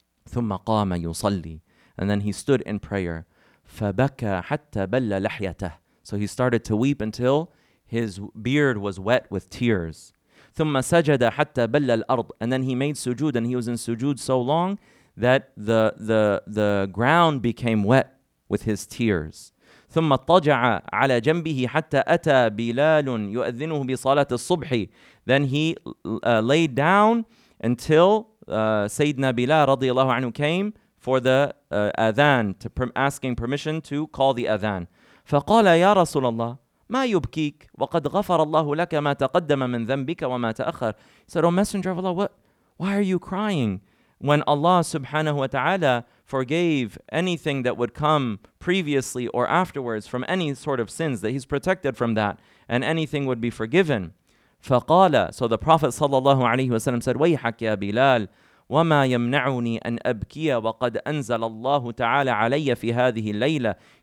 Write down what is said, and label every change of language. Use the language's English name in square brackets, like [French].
[Arabic] ثُمَّ قَامَ يُصَلِّي. [English] And then he stood in prayer. [Arabic] فَبَكَى حَتَّى بَلَّ لَحْيَتَهُ. [English] So he started to weep until his beard was wet with tears. [Arabic] ثُمَّ سَجَدَ حَتَّى بَلَّ الْأَرْضِ. [English] And then he made sujood, and he was in sujood so long that the ground became wet with his tears. [Arabic] ثم اتجع على جنبه حتى أتى بلال يؤذنه بصلاة الصبح. [English] Then he laid down until Sayyidina Bilal [Arabic] رضي الله عنه [English] came for the adhan, to asking permission to call the adhan. [Arabic] فقال يا رسول الله ما يبكيك وقد غفر الله لك ما تقدم من ذنبك وما تأخر. [English] He said, O Messenger of Allah, why are you crying when Allah subhanahu wa ta'ala forgave anything that would come previously or afterwards from any sort of sins, that he's protected from that, and anything would be forgiven. [Arabic] فَقَالَ. [English] So the Prophet sallallahu alayhi wa sallam said, [Arabic] وَيْحَكْ يَا بِلَالِ وَمَا يَمْنَعُنِي أَنْ أَبْكِيَ وَقَدْ أَنْزَلَ اللَّهُ تَعَالَى عَلَيَّ فِي هَذِهِ اللَّيْلَةِ.